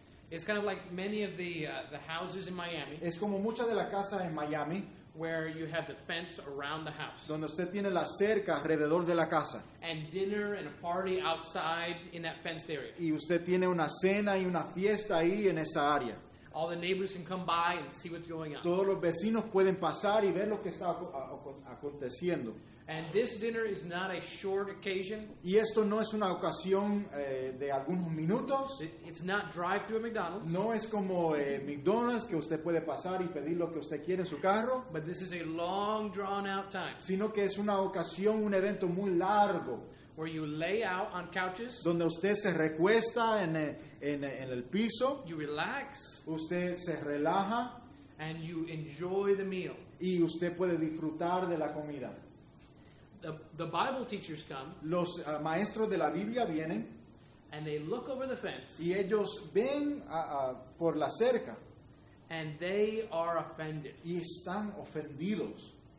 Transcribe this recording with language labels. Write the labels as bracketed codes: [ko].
[en] It's kind of like many of the houses in Miami. [es] Es como muchas de la casa en Miami, [en] where you have the fence around the house. [es] Donde usted tiene la cerca alrededor de la casa. [en] And dinner and a party outside in that fenced area. [es] Y usted tiene una cena y una fiesta ahí en esa área. [en] All the neighbors can come by and see what's going on. [es] Todos los vecinos pueden pasar y ver lo que está aconteciendo. [en] And this dinner is not a short occasion. [es] Y esto no es una ocasión de algunos minutos. [en] It's not drive-through at McDonald's. [es] No es como McDonald's que usted puede pasar y pedir lo que usted quiere en su carro. [en] But this is a long drawn-out time. [es] Sino que es una ocasión, un evento muy largo. [en] Where you lay out on couches. [es] Donde usted se recuesta en el piso. [en] You relax. [es] Usted se relaja. [en] And you enjoy the meal. [es] Y usted puede disfrutar de la comida. [en] The Bible teachers come. [es] Los maestros de la Biblia vienen. [en] And they look over the fence. [es] Y ellos ven por la cerca. [en] And they are offended. [es] Y están ofendidos.